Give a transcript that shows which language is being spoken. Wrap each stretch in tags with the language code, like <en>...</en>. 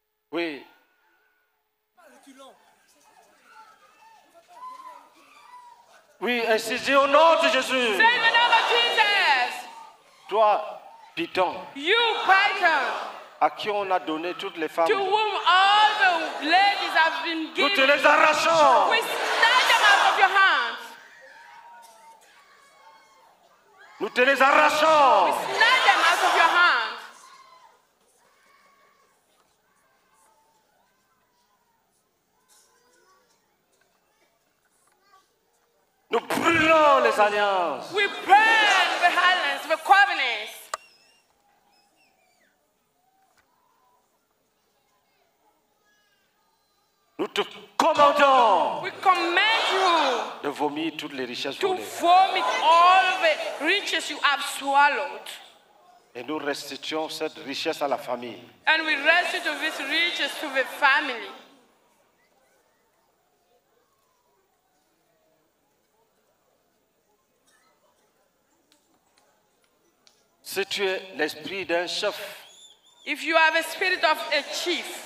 <fr>Oui. Oui, ainsi dit au nom de Jésus.</fr> <en>Say the name of Jesus.</en> <fr>Toi, Python.</fr> <en>You, Python.</en> <fr>À qui on a donné toutes les femmes.</fr> <en>To whom all the ladies have been given.</en> <fr>Nous te les arrachons.</fr> <en>We snatch them out of your hands.</en> <fr>Nous te les arrachons.</fr> <en>We snatch them out of your hands.</en> <fr>Nous brûlons les alliances.</fr> <en>We burn the alliances, the covenants.</en> <fr>Nous te commandons.</fr> <en>We command you.</en> <fr>De vomir toutes les richesses volées.</fr> <en>To vomit all the riches you have swallowed.</en> <fr>Et nous restituons cette richesse à la famille.</fr> <en>And we restitute these riches to the family.</en> <fr>Si tu es l'esprit d'un chef.</fr> <en>If you have a spirit of a chief.</en>